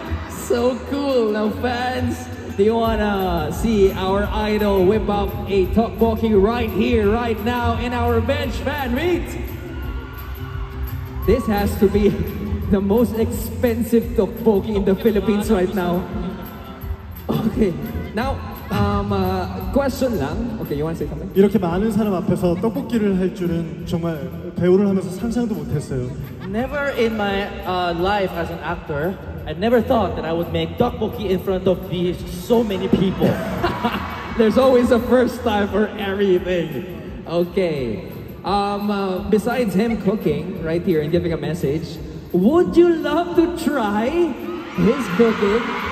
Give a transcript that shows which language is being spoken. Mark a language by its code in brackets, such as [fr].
[en] So cool. Now fans, do you wanna see our idol whip up a tteokbokki right here, right now in our bench fan meet? This has to be the most expensive tteokbokki in the Philippines right now. Okay, now, question lang. Okay, you want to say something? [ko] 이렇게 많은 사람 앞에서 떡볶이를 할 줄은 정말 배우를 하면서 상상도 못했어요. [en] Never in my life as an actor, I never thought that I would make tteokbokki in front of these so many people. There's always a first time for everything. Okay, besides him cooking right here and giving a message, would you love to try his cooking?